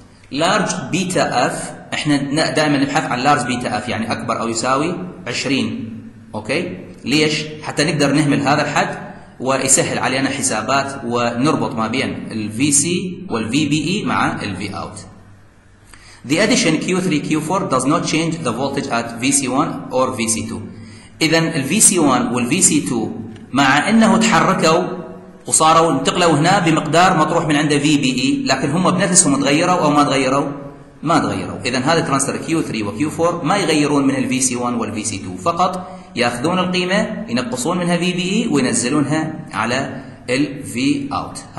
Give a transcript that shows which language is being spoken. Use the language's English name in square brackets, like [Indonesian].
[Arabic] لارج بيتا اف احنا دائما نبحث عن لارج بيتا اف يعني اكبر او يساوي 20، اوكي ليش؟ حتى نقدر نهمل هذا الحد ويسهل علينا حسابات ونربط ما بين الفي سي والفي بي اي مع الفي اوت. [English] The addition Q3 Q4 does not change the voltage at VC1 or VC2. [Arabic] اذا ال VC1 وال VC2 مع انه تحركوا وصاروا انتقلوا هنا بمقدار مطروح من عنده VBE، لكن هم بنفسهم تغيروا او ما تغيروا؟ ما تغيروا. اذا هذا ترانسفير Q3 و Q4 ما يغيرون من ال VC1 وال VC2، فقط ياخذون القيمه ينقصون منها VBE وينزلونها على ال VOUT.